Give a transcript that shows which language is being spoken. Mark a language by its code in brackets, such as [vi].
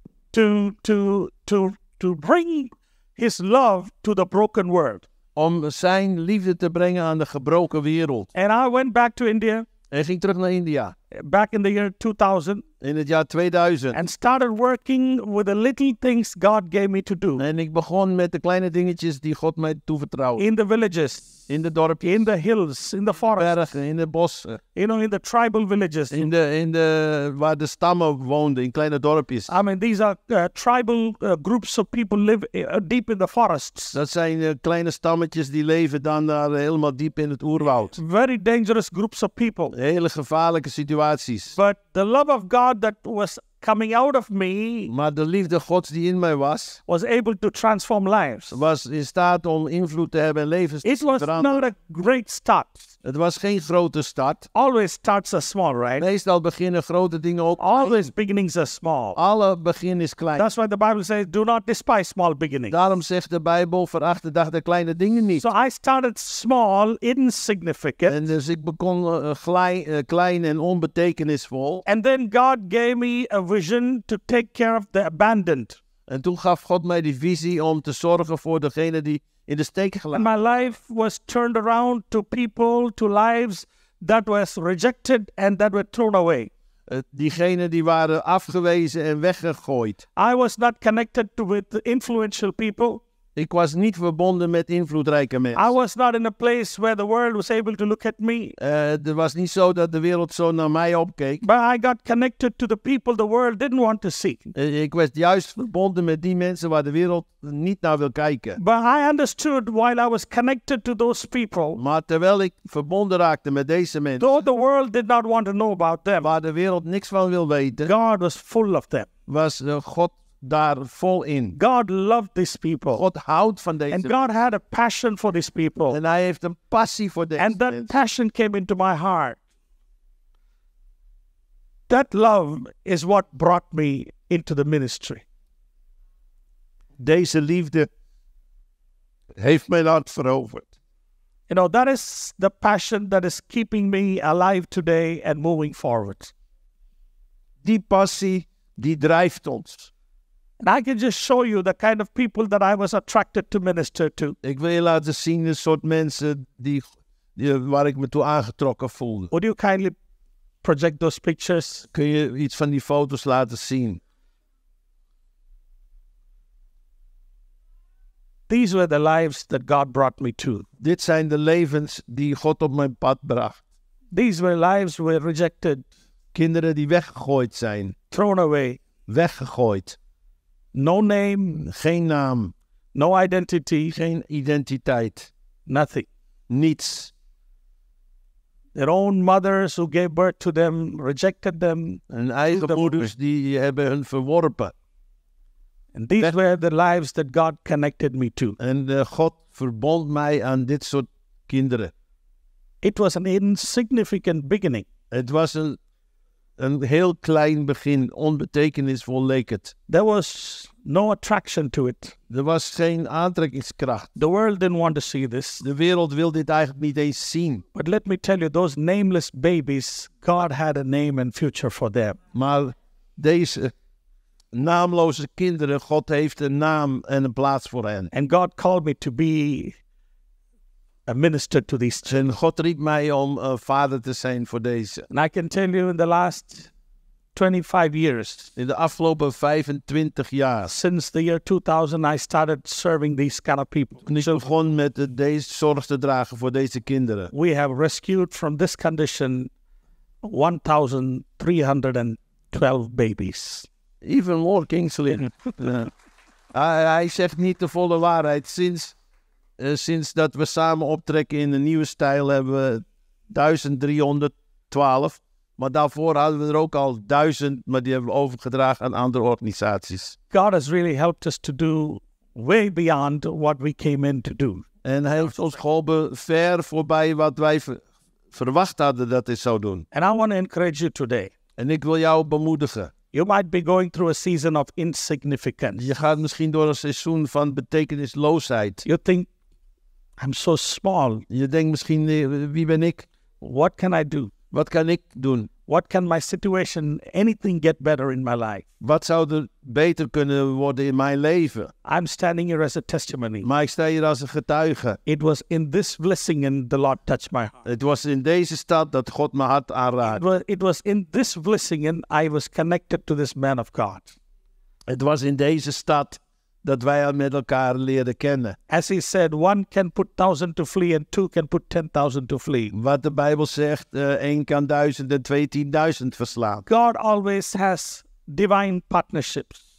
[en] To bring his love to the broken world. [nl] Om zijn liefde te brengen aan de gebroken wereld. [en] And I went back to India. [nl] En ging terug naar India. [en] Back in the year 2000. [nl] In het jaar 2000. [en] And started working with the little things God gave me to do. [nl] En ik begon met de kleine dingetjes die God mij toevertrouwde. [en] In the villages. [nl] In de dorpjes. [en] In the hills. In the forests. [nl] Bergen, in de bossen. [en] You know, in the tribal villages. [nl] In de waar de stammen woonden, in kleine dorpjes. [en] I mean, these are tribal groups of people live deep in the forests. [nl] Dat zijn kleine stammetjes die leven dan daar helemaal diep in het oerwoud. [en] Very dangerous groups of people. [nl] Hele gevaarlijke situaties. [en] But the love of God that was coming out of me, [nl] maar de liefde Gods die in mij was, [en] was able to transform lives. [nl] Was in staat om invloed te hebben en levens te veranderen. [en] It was not a great start. [nl] Het was geen grote start. [en] Always starts are small, right? [nl] Meestal beginnen grote dingen ook. [en] Always beginnings are small. [nl] Alle begin is klein. [en] That's why the Bible says, do not despise small beginnings. [nl] Daarom zegt de Bijbel, veracht de dag de kleine dingen niet. [en] So I started small, insignificant. [nl] En dus ik begon klein en onbetekenisvol. [en] And then God gave me a vision to take care of the abandoned. [nl] En toen gaf God mij die visie om te zorgen voor degene die in de steek gelaten. [en] My life was turned around to people, to lives that was rejected and that were thrown away. [nl] diegenen die waren afgewezen en weggegooid. [en] I was not connected with influential people. [nl] Ik was niet verbonden met invloedrijke mensen. [en] I was not in a place where the world was able to look at me. [nl] Er was niet zo dat de wereld zo naar mij opkeek. [en] But I got connected to the people the world didn't want to see. [nl] Ik was juist verbonden met die mensen waar de wereld niet naar wil kijken. [en] But I understood while I was connected to those people. [nl] Maar terwijl ik verbonden raakte met deze mensen. [en] Though the world did not want to know about them. [nl] Waar de wereld niks van wil weten. [en] God was full of them. [nl] Was God daar vol in. [en] God loved these people. [nl] God houdt van deze. [en] And God had a passion for these people. [nl] En hij heeft een passie voor deze. [en] And that [nl] mensen. [en] Passion came into my heart. That love is what brought me into the ministry. [nl] Deze liefde heeft mij dat veroverd. [en] You know, that is the passion that is keeping me alive today and moving forward. [nl] Die passie die drijft ons. [en] And I can just show you the kind of people that I was attracted to minister to. [nl] Ik wil je laten zien de soort mensen die waar ik me toe aangetrokken voelde. [en] Would you kindly project those pictures? [nl] Kun je iets van die foto's laten zien? [en] These were the lives that God brought me to. [nl] Dit zijn de levens die God op mijn pad bracht. [en] These were lives were rejected. [nl] Kinderen die weggegooid zijn. [en] Thrown away. [nl] Weggegooid. [en] No name, [nl] geen naam. [en] No identity, [nl] geen identiteit. [en] Nothing, [nl] niets. [en] Their own mothers who gave birth to them rejected them. [nl] Hun eigen moeders die hebben hun verworpen. [en] And these were the lives that God connected me to. [nl] En God verbond mij aan dit soort kinderen. [en] It was an insignificant beginning. [nl] Het was een heel klein begin, onbetekenisvol leek het. [en] There was no attraction to it. [nl] Er was geen aantrekkingskracht. [en] The world didn't want to see this. [nl] De wereld wil dit eigenlijk niet eens zien. [en] But let me tell you, those nameless babies, God had a name and future for them. [nl] Maar deze naamloze kinderen, God heeft een naam en een plaats voor hen. [en] And God called me to be a minister to these children. [nl] En God riep mij om vader te zijn voor deze. [en] And I can tell you in the last 25 years. [nl] In de afgelopen 25 jaar. [en] Since the year 2000 I started serving these kind of people. [nl] En ik begon met deze zorg te dragen voor deze kinderen. [en] We have rescued from this condition 1,312 babies. Even more Kingsley. [nl] Hij zegt niet de volle waarheid. Sinds dat we samen optrekken in de nieuwe stijl hebben we 1312. Maar daarvoor hadden we er ook al 1000, maar die hebben we overgedragen aan andere organisaties. [en] God has really helped us to do way beyond what we came in to do. [nl] En hij heeft ons geholpen ver voorbij wat wij verwacht hadden dat hij zou doen. [en] And I want to encourage you today. [nl] En ik wil jou bemoedigen. [en] You might be going through a season of insignificance. [nl] Je gaat misschien door een seizoen van betekenisloosheid. [en] You think, I'm so small. [nl] Je denkt misschien, wie ben ik? [en] What can I do? [nl] Wat kan ik doen? [en] What can my situation, anything get better in my life? [nl] Wat zou er beter kunnen worden in mijn leven? [en] I'm standing here as a testimony. [nl] Maar ik sta hier als een getuige. [en] It was in this blessing and the Lord touched my heart. [nl] Het was in deze stad dat God mijn hart aanraakte. [en] It was in this blessing and I was connected to this man of God. [nl] Het was in deze stad dat wij al met elkaar leren kennen. [en] As he said, one can put 1,000 to flee and two can put 10,000 to flee. [nl] Wat de Bijbel zegt, één kan 1,000 en twee 10,000 verslaan. [en] God always has divine partnerships.